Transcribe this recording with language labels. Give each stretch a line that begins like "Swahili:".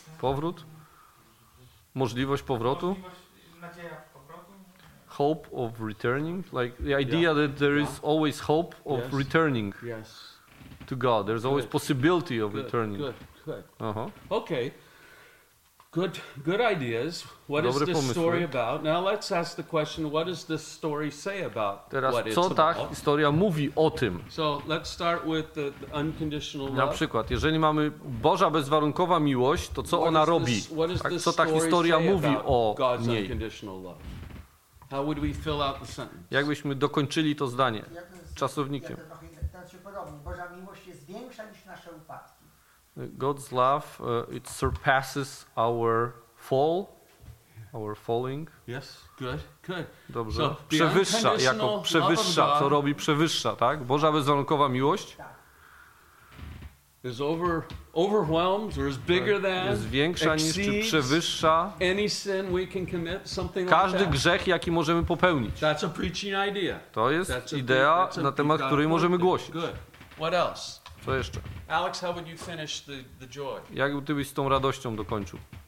Polish: Powrót? Możliwość powrotu? Możliwość, nadzieja powrotu?
English: hope of returning, like the idea that there is always hope of returning to God. There's always possibility of returning. Okay. Good ideas. What is this story about? Now let's ask the question, what does this story say about what it's about? So let's start with the unconditional love.
Polish: Na przykład, jeżeli mamy Boża bezwarunkowa miłość, to co ona robi? Co ta historia mówi o niej?
English: How would we fill out the sentence?
Polish: Jakbyśmy dokończyli to zdanie czasownikiem? Boża miłość jest większa niż nasze upadki.
English: God's love, it surpasses our fall, our falling. Yes, good, good.
Polish: Dobrze. So, przewyższa, jako przewyższa, co robi przewyższa, tak? Boża bezwarunkowa miłość
English: is overwhelms or is bigger than,
Polish: jest większa niż czy przewyższa
English: any sin we can commit, something
Polish: każdy
English: like that.
Polish: Grzech, jaki możemy popełnić.
English: That's a preaching idea.
Polish: To jest idea, na temat której możemy głosić.
English: Good. What else?
Polish: Co jeszcze?
English: Alex, how would you finish the joy?
Polish: Jak ty byś z tą radością dokończył?